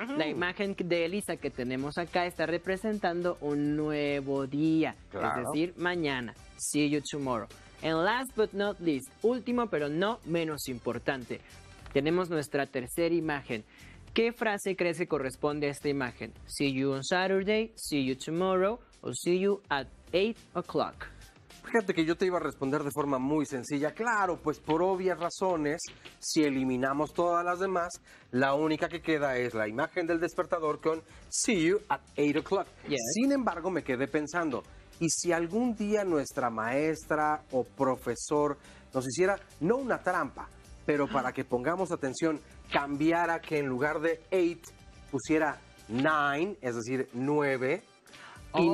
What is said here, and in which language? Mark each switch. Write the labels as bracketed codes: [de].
[es] La imagen de Elisa que tenemos acá está representando un nuevo día. Claro. Es decir, mañana. [en] See you tomorrow. And last but not least, [es] último pero no menos importante, tenemos nuestra tercera imagen. ¿Qué frase crees que corresponde a esta imagen? [en] See you on Saturday, see you tomorrow, or see you at 8 o'clock. [es] Fíjate que yo te iba a responder de forma muy sencilla. Claro, pues por obvias razones, si eliminamos todas las demás, la única que queda es la imagen del despertador con [en] see you at 8 o'clock. Yes. [es] Sin embargo, me quedé pensando, ¿y si algún día nuestra maestra o profesor nos hiciera no una trampa, pero para que pongamos atención, cambiara que en lugar de 8 pusiera 9, es decir, 9, y